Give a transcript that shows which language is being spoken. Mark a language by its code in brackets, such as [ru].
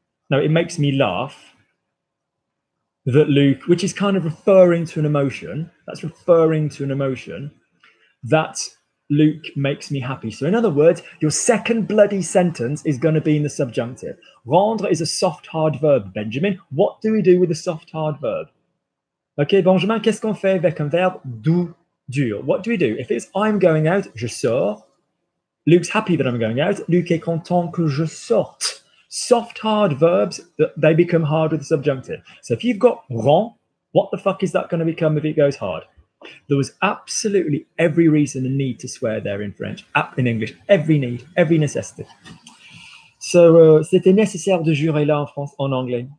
[en] No, it makes me laugh that Luke, which is kind of referring to an emotion, that's referring to an emotion, that Luke makes me happy. So in other words, your second bloody sentence is going to be in the subjunctive. Rendre is a soft, hard verb, Benjamin. What do we do with a soft, hard verb? [fr] Okay, Benjamin, qu'est-ce qu'on fait avec un verbe doux, dur? [en] What do we do? If it's I'm going out, [fr] je sors. [en] Luke's happy that I'm going out. [fr] Luke est content que je sorte. [en] Soft, hard verbs, they become hard with the subjunctive. So if you've got rend, what the fuck is that going to become if it goes hard? There was absolutely every reason and need to swear there in French, in English, every need, every necessity. [fr] So, c'était nécessaire de jurer là en France, en anglais.